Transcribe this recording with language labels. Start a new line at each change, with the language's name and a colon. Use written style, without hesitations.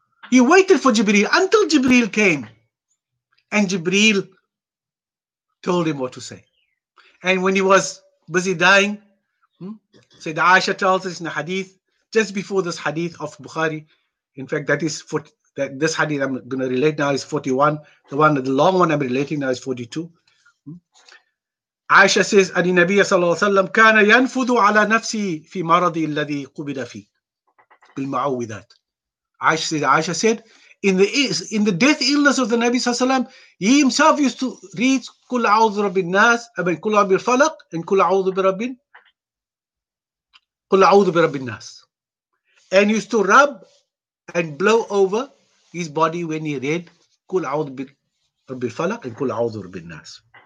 English: He waited for Jibreel until Jibreel came. And Jibreel told him what to say. And when he was busy dying, Sayyidina Aisha tells us in the hadith, just before this hadith of Bukhari, in fact, that is 40, that this hadith I'm going to relate now is 41. The long one I'm relating now is 42. Aisha says,
Arabic: أَنِ النَّبِيَّ صَلَّى اللَّهُ عَلَيْهِ وَسَلَّمَ كَانَ يَنْفُذُ عَلَى نَفْسِهِ فِي مَرَضِي الَّذِي قُبِلَ فِيهِ بِالْمَعُوِذَاتِ.
English: Aisha said, In the death illness of the Nabi Sallallahu Alaihi Wasallam, he himself used to read Kul A'udhu Rabbin Nas, Kul A'udhu Bir Falaq, and Kul A'udhu Bir Rabbin Nas. And used to rub and blow over his body when he read Kul A'udhu Bir Rabbin Falaq and Kul A'udhu Rabbin Nas.